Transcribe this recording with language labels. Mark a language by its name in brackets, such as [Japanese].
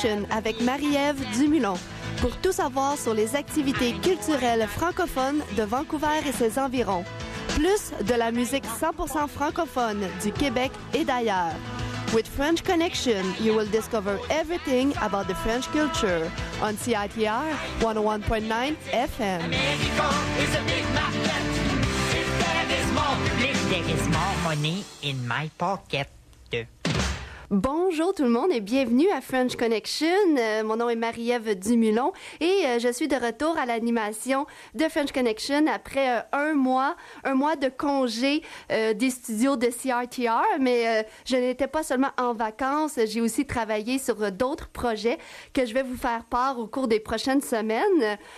[French] Avec Marie-Ève Dumoulin pour tout savoir sur les activités culturelles francophones de Vancouver et ses environs, plus de la musique 100% francophone du Québec et d'ailleurs. [English] With French Connection, you will discover everything about the French culture on CITR 101.9 FM. [French] Bonjour tout le monde et bienvenue à French Connection. Mon nom est Marie-Ève Dumoulin et je suis de retour à l'animation de French Connection après un mois de congé des studios de CRTR. Mais je n'étais pas seulement en vacances, j'ai aussi travaillé sur d'autres projets que je vais vous faire part au cours des prochaines semaines.